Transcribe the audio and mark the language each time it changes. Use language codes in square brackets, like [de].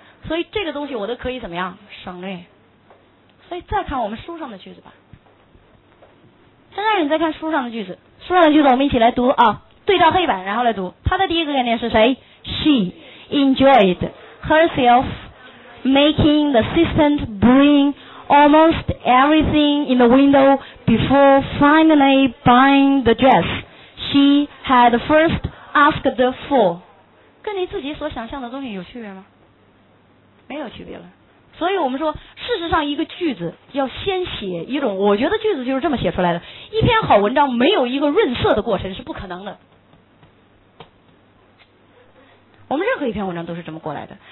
[zh] 所以这个东西我都可以怎么样省略。所以再看我们书上的句子吧。现在你再看书上的句子，书上的句子我们一起来读啊，对照黑板，然后来读。 [en] 它的第一个概念是谁？She enjoyed herself making the assistant bring almost everything in the window before finally buying the dress she had first asked for。 [zh] 跟你自己所想象的东西有区别吗？没有区别了。所以我们说事实上一个句子要先写一种，我觉得句子就是这么写出来的，一篇好文章没有一个润色的过程是不可能的，我们任何一篇文章都是这么过来的。